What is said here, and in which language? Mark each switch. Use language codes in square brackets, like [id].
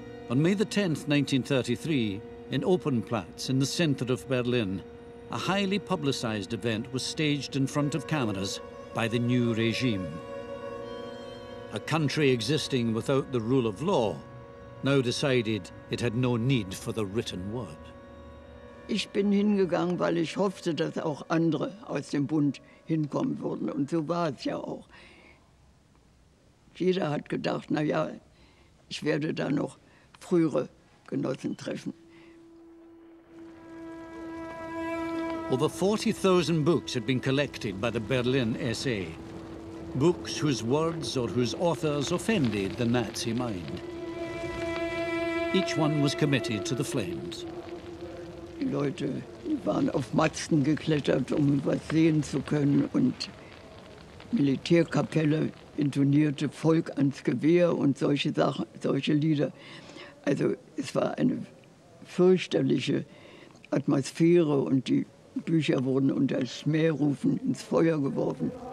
[en] On May the 10th, 1933, in Oppenplatz, in the center of Berlin, a highly publicized event was staged in front of cameras by the new regime. A country existing without the rule of law now decided it had no need for the written word. [de] Ich bin hingegangen, weil ich hoffte, dass auch andere aus dem Bund hinkommen würden. Und so war es ja auch. Jeder hat gedacht, na ja, ich werde da noch frühere Genossen treffen. [en] Over 40,000 books had been collected by the Berlin SA. Books whose words or whose authors offended the Nazi mind. Each one was committed to the flames. [de] Die Leute waren auf Masten geklettert, um was sehen zu können, und Militärkapelle intonierte Volk ans Gewehr und solche Lieder. Also es war eine fürchterliche Atmosphäre, und die Bücher wurden unter Schmährufen ins Feuer geworfen.